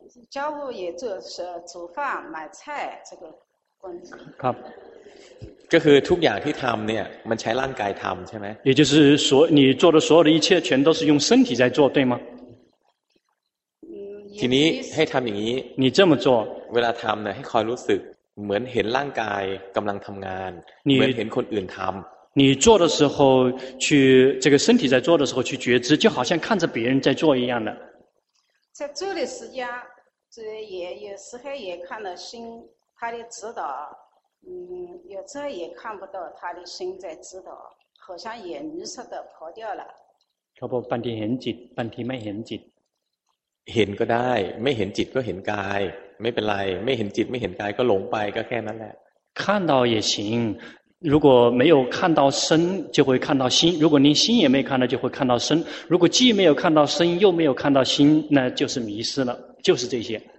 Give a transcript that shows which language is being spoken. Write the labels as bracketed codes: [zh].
[zh] 家务也做是煮饭买菜这个工作 [th] ครับ ก็คือทุกอย่างที่ทำเนี่ยมันใช้ร่างกายทำใช่ไหม [zh] 也就是说你做的所有的一切全都是用身体在做对吗 [th] ทีนี้ให้ทำอย่างนี้ [zh] 你这么做 [th] เวลาทำเนี่ยให้คอยรู้สึกเหมือนเห็นร่างกายกำลังทำงานเหมือนเห็นคนอื่นทำ [zh] 你做的时候去这个身体在做的时候去觉知就好像看着别人在做一样的在做的时间这也有时候也看到心他的指导有时候也看不到他的心在指导好像也迷失的跑掉了可不半天很紧半天没很紧 [th] 很ก็ได้ไม่เห็นจิตก็เห็นกายไม่เป็นไรไม่เห็นจิตไม่เห็นกายก็หลงไปก็แค่นั้นแหละ [zh] 看到也行如果没有看到身就会看到心如果您心也没看到就会看到身如果既没有看到身又没有看到心那就是迷失了就是这些